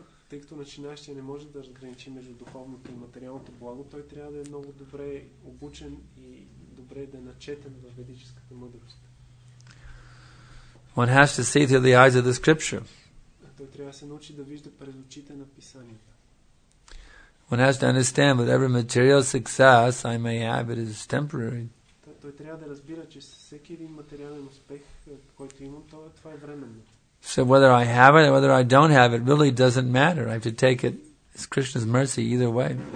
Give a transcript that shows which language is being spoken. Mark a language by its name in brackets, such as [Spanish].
[Bulgarian] Тъй като начинащия не може да разграничи между духовното и материалното благо, той трябва да е много добре обучен и добре да е начетен в ведическата мъдрост. [English] One has to see through the eyes of the scripture. [Bulgarian] Той трябва да се научи да вижда през очите на писанията. [English] One has to understand that every material success I may have, it is temporary. [Bulgarian] Той трябва да разбира, че всеки един материален успех, който имам, това е временно. [English] So whether I have it or whether I don't have it really doesn't matter. I have to take it as Krishna's mercy either way.